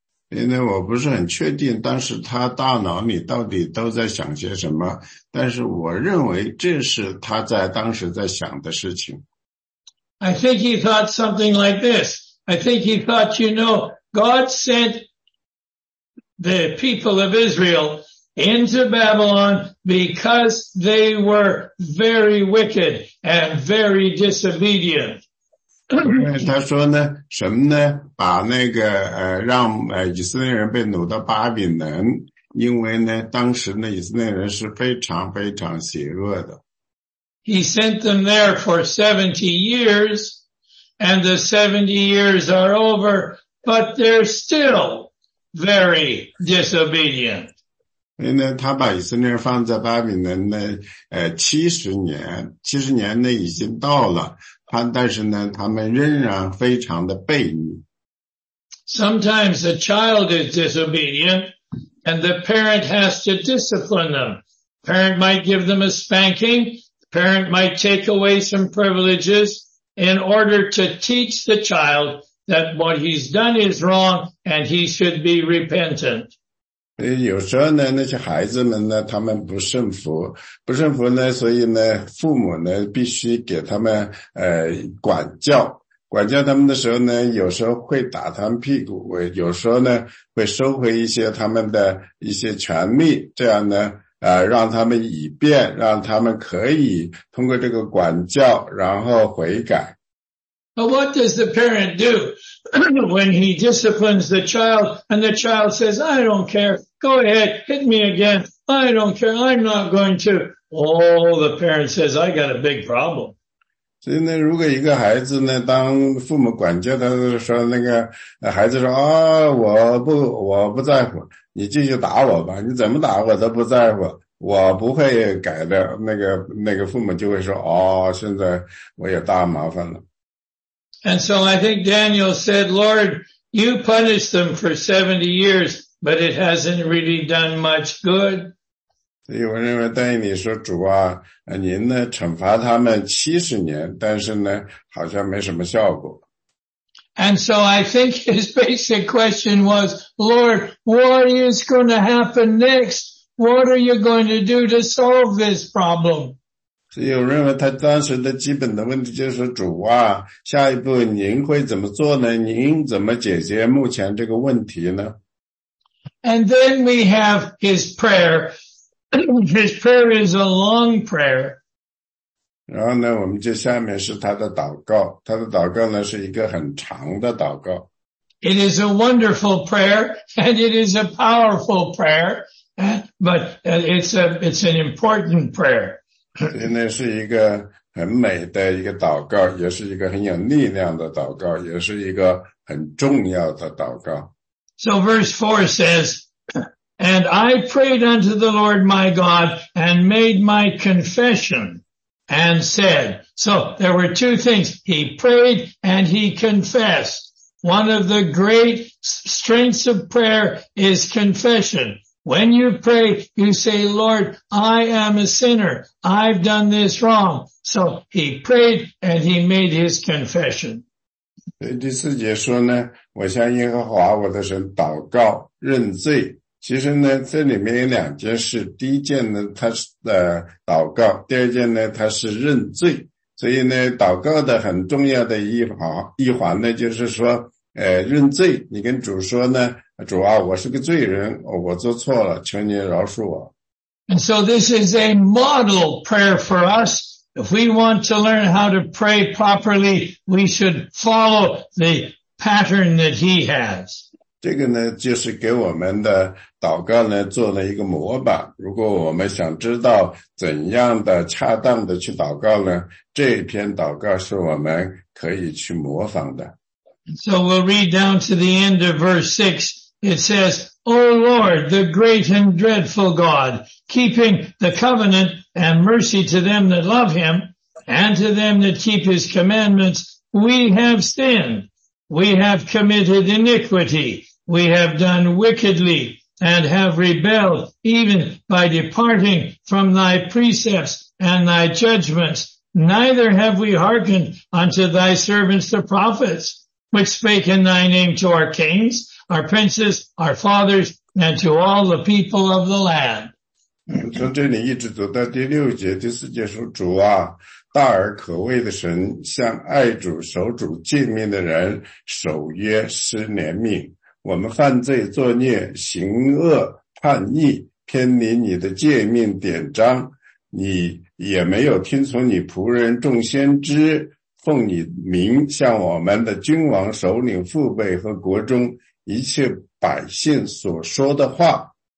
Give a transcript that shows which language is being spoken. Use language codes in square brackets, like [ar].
[zh] 因为我不是很确定当时他大脑里到底都在想些什么但是我认为这是他在当时在想的事情。 [en] I think he thought something like this. I think he thought, you know, God sent the people of Israel into Babylon because they were very wicked and very disobedient. [zh] 他说呢什么呢把那个让以色列人被掳到巴比伦因为呢当时呢以色列人是非常非常邪恶的。 [en] He sent them there for 70 years, and the 70 years are over, but they're still very disobedient. [zh] 因为呢他把以色列人放在巴比伦呢70年呢已经到了他但是呢他们仍然非常的悖逆。 [en] Sometimes a child is disobedient and the parent has to discipline them. Parent might give them a spanking, parent might take away some privileges in order to teach the child that what he's done is wrong and he should be repentant. [zh] 有时候呢那些孩子们呢他们不顺服不顺服呢所以呢父母呢必须给他们管教他们的时候呢有时候会打他们屁股有时候呢会收回一些他们的一些权利这样呢让他们以便让他们可以通过这个管教然后悔改。 [en] But what does the parent do when he disciplines the child and the child says, I don't care, go ahead, hit me again, I don't care, I'm not going to. Oh, the parent says, I got a big problem. [zh] 所以呢如果一个孩子呢当父母管教他的时候那个孩子说啊我不在乎你继续打我吧你怎么打我都不在乎我不会改的那个父母就会说啊、哦、现在我有大麻烦了。 [en] And so I think Daniel said, Lord, you punished them for 70 years, but it hasn't really done much good. [zh] 所以我认为丹尼尔说主啊您呢惩罚他们70年但是呢好像没什么效果。 [en] And so I think his basic question was, Lord, what is going to happen next? What are you going to do to solve this problem? [zh] 所以我认为他当时的基本的问题就是主啊下一步您会怎么做呢您怎么解决目前这个问题呢 [en] And then we have his prayer. His prayer is a long prayer. [zh] 然后呢我们就下面是他的祷告他的祷告呢是一个很长的祷告。 [en] It is a wonderful prayer and it is a powerful prayer, but it's an important prayer. [zh] 现在是一个很美的一个祷告也是一个很有力量的祷告也是一个很重要的祷告。 [en] So verse 4 says, And I prayed unto the Lord my God and made my confession and said, So there were two things. He prayed and he confessed. One of the great strengths of prayer is confession. When you pray, you say, Lord, I am a sinner. I've done this wrong. So he prayed and he made his confession. [zh] 第四节说呢，我向耶和华我的神祷告认罪。其实呢，这里面有两件事。第一件呢，他是祷告；第二件呢，他是认罪。所以呢，祷告的很重要的一环呢，就是说，认罪。你跟主说呢，主啊，我是个罪人，我做错了，求你饶恕我。 [en] And so this is a model prayer for us. If we want to learn how to pray properly, we should follow the pattern that he has. [zh] 这个呢，就是给我们的祷告呢做了一个模板。如果我们想知道怎样的恰当的去祷告呢，这篇祷告是我们可以去模仿的。 [en] So we'll read down to the end of verse 6. It says, O Lord, the great and dreadful God, keeping the covenant and mercy to them that love him and to them that keep his commandments, we have sinned. We have committed iniquity. We have done wickedly and have rebelled even by departing from thy precepts and thy judgments. Neither have we hearkened unto thy servants the prophets, which spake in thy name to our kings, our princes, our fathers, and to all the people of the land. [zh] 从这里一直读到第六节、第四节说，主啊，大而可畏的神，向爱主、守主诫命的人，守约施怜悯。我们犯罪作孽，行恶叛逆，偏离你的诫命典章，你也没有听从你仆人众先知奉你名向我们的君王、首领、父辈和国中一切百姓所说的话。